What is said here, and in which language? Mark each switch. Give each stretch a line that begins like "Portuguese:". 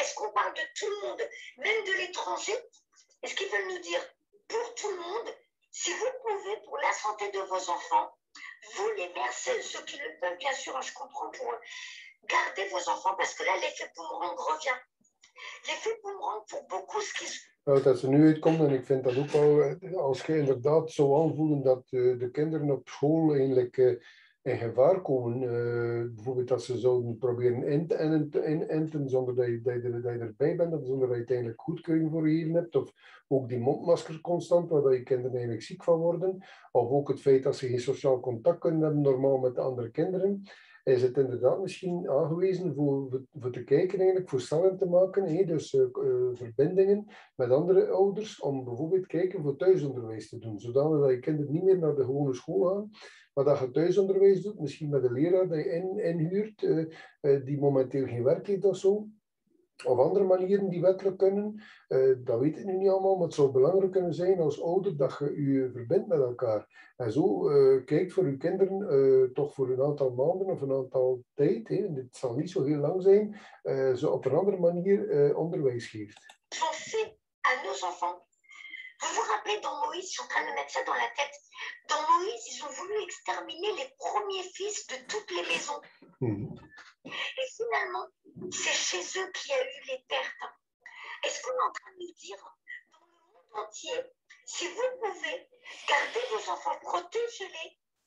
French: Est-ce qu'on parle de tout le monde, même de l'étranger? Est-ce qu'ils veulent nous dire pour tout le monde, si vous pouvez, pour la santé de vos enfants, vous les mères, ceux qui le peuvent, bien sûr, hein, je comprends pour eux. Gardez vos enfants parce que là, l'effet boomerang revient. L'effet boomerang pour beaucoup ce qui se.
Dutch: Dat ze nu uitkomt, en ik vind dat ook wel, als je inderdaad zou aanvoelen dat de kinderen op school eigenlijk in gevaar komen, bijvoorbeeld dat ze zouden proberen in te enten zonder dat je erbij bent, of zonder dat je uiteindelijk goedkeuring voor je hebt, of ook die mondmasker constant, waar je kinderen eigenlijk ziek van worden, of ook het feit dat ze geen sociaal contact kunnen hebben normaal met de andere kinderen. Is het inderdaad misschien aangewezen voor te kijken, eigenlijk, voor cellen te maken, hé, dus verbindingen met andere ouders, om bijvoorbeeld kijken voor thuisonderwijs te doen, zodanig dat je kinderen niet meer naar de gewone school gaan, maar dat je thuisonderwijs doet, misschien met een leraar dat je inhuurt, die momenteel geen werk heeft of zo, of andere manieren die wettelijk kunnen, dat weet ik nu niet allemaal, maar het zou belangrijk kunnen zijn als ouder dat je je verbindt met elkaar. En zo kijkt voor je kinderen toch voor een aantal maanden of een aantal tijd, hey, en dit zal niet zo heel lang zijn, ze op een andere manier onderwijs geeft.
French: À nos enfants. Vous vous rappelez dans Moïse, ils sont en train de mettre ça dans la tête. Dans Moïse, ils ont voulu exterminer les premiers fils de toutes les maisons. Et finalement, c'est chez eux qu'il y a eu les pertes. Est-ce qu'on est en train de nous dire, dans le monde entier, si vous pouvez garder vos enfants, protégez-les?